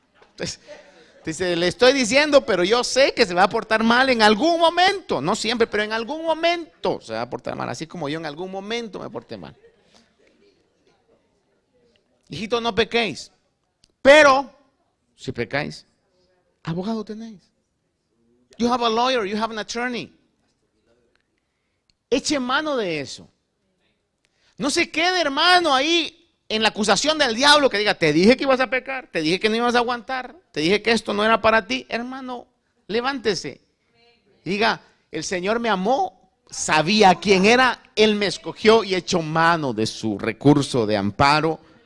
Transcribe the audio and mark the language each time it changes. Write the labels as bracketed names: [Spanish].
[Spanish] Entonces, le estoy diciendo, pero yo sé que se va a portar mal en algún momento. No siempre, pero en algún momento se va a portar mal. Así como yo en algún momento me porté mal. Hijitos, no pequéis. Pero, si pecáis, abogado tenéis. [English] You have a lawyer, you have an attorney. [Spanish] Eche mano de eso. No se quede, hermano, ahí en la acusación del diablo que diga, te dije que ibas a pecar, te dije que no ibas a aguantar, te dije que esto no era para ti. Hermano, levántese. Diga, el Señor me amó, sabía quién era, Él me escogió y echó mano de su recurso de amparo.